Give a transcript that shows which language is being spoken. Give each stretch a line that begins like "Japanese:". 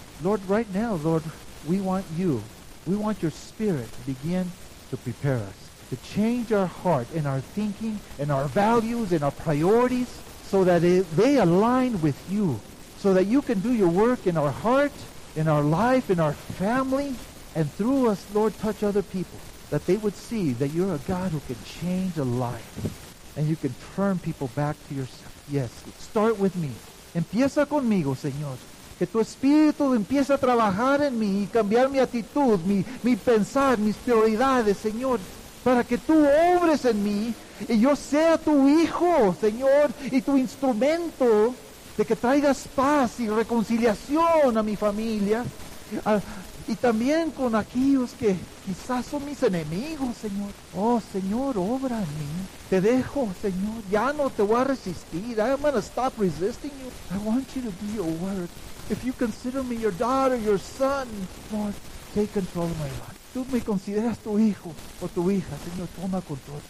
English: Lord, right now, Lord, we want you. We want your Spirit to begin to prepare us, to change our heart and our thinking and our values and our priorities so that they align with you, so that you can do your work in our heart, in our life, in our family, and through us, Lord, touch other people, that they would see that you're a God who can change a life and you can turn people back to yourself. Yes, start with me.
Spanish: Empieza conmigo, Señor. Que tu espíritu empiece a trabajar en mí y cambiar mi actitud, mi pensar, mis prioridades, Señor. Para que tú obres en mí y yo sea tu hijo, Señor, y tu instrumento de que traigas paz y reconciliación a mi familia. Y también con aquellos que quizás son mis enemigos, Señor. Oh, Señor, obra en mí. Te dejo, Señor. Ya no te voy a resistir.
English: I'm going to stop resisting you. I want you to do your work. If you consider me your daughter, your son, Lord, take control of my life.
Spanish: Tú me consideras tu hijo o tu hija, Señor, toma control.